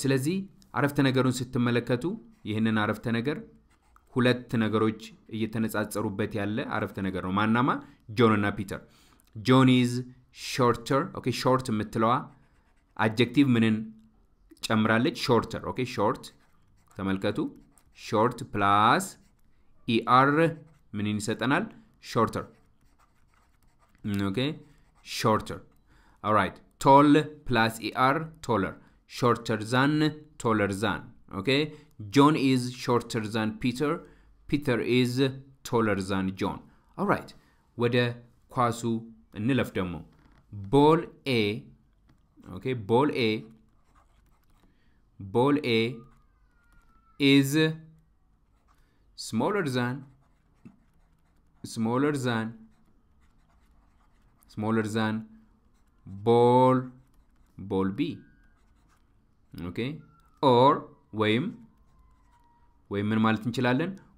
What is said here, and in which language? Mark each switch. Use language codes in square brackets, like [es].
[am] ስለዚህ አረፍተ ነገሩን ስትመለከቱ ይህንን አረፍተ ነገር ሁለት ነገሮች እየተነጻጸሩበት ያለ አረፍተ ነገር ነው ማናማ John እና Peter. [en] John is shorter. Okay. Short [am] የምትለዋ [en] adjective [am] ምንን ጨምራለች? [en] Shorter. Okay. Short. [am] ተመልከቱ. [en] Short plus er [am] ምንን ይሰጠናል? [en] Shorter. Okay. Shorter. All right. Tall plus er taller. Shorter than, taller than. Okay. John is shorter than Peter. Peter is taller than John. All right. [am] ወደ ኳሱ እንለፍ ደሞ. [en] Ball A. Okay. Ball A. Ball A is smaller than ball B. Okay. Or [am] ወይም ምን ማለት እንችላለን?